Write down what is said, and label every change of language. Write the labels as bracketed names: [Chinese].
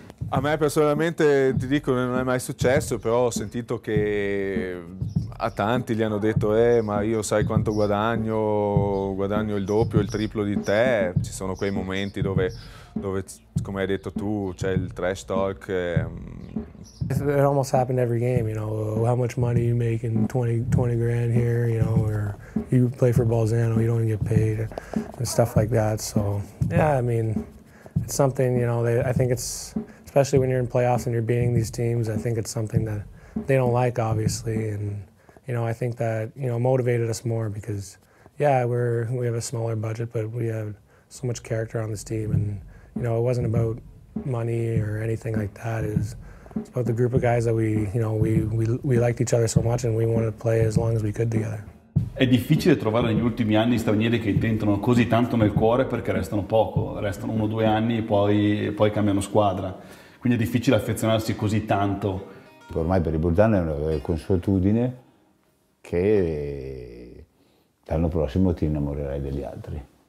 [Italian] A me personalmente, ti dico, non è mai successo, però ho sentito che a tanti gli hanno detto: ma io sai quanto guadagno il doppio, il triplo di te. Ci sono quei momenti dove, come hai detto tu, c'è il trash talk. [English] It almost happened every game, you know, how much money you make in 20 grand here, you know, or you play for Bolzano, you don't even get paid, and stuff like that. So, yeah, I mean, it's something, you know, I think it's, especially when you're in playoffs and you're beating these teams, I think it's something that they don't like, obviously. And, you know, I think that, you know, motivated us more because, yeah, we have a smaller budget, but we have so much character on this team. And, you know, it wasn't about money or anything like that. It's about the group of guys that we liked each other so much and we wanted to play as long as we could together. [Italian] È difficile trovare negli ultimi anni stranieri che intentano così tanto nel cuore, perché restano poco, restano uno o due anni e poi cambiano squadra. Quindi è difficile affezionarsi così tanto. Ormai per i Bolzano è una consuetudine che l'anno prossimo ti innamorerai degli altri.